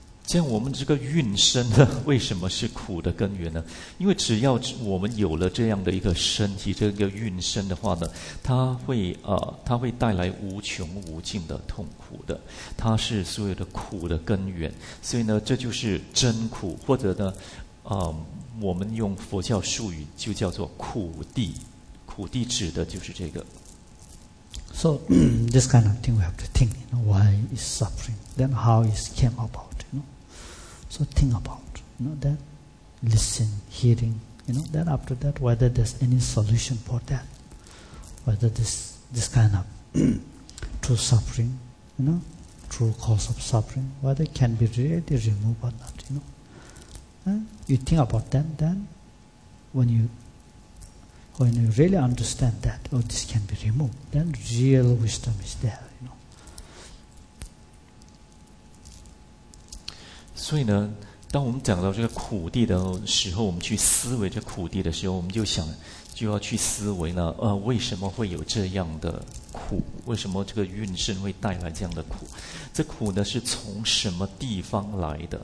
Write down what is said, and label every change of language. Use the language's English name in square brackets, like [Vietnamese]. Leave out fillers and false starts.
[Chinese] 这样我们这个孕身呢，为什么是苦的根源呢？因为只要我们有了这样的一个身体，这个孕身的话呢，它会带来无穷无尽的痛苦的，它是所有的苦的根源。所以呢，这就是真苦，或者呢，我们用佛教术语就叫做苦地，苦地指的就是这个。 [English] So this kind of thing we have to think, you know, why is suffering? Then how it came about? So think about, you know, that, listen, hearing, you know, then after that, whether there's any solution for that, whether this kind of true suffering, you know, true cause of suffering, whether it can be really removed or not, you know. And you think about that, then when you really understand that, oh, this can be removed, then real wisdom is there. [Chinese] 所以呢，当我们讲到这个苦地的时候，我们去思维这苦地的时候，我们就想，就要去思维呢，为什么会有这样的苦？为什么这个孕身会带来这样的苦？这苦呢，是从什么地方来的？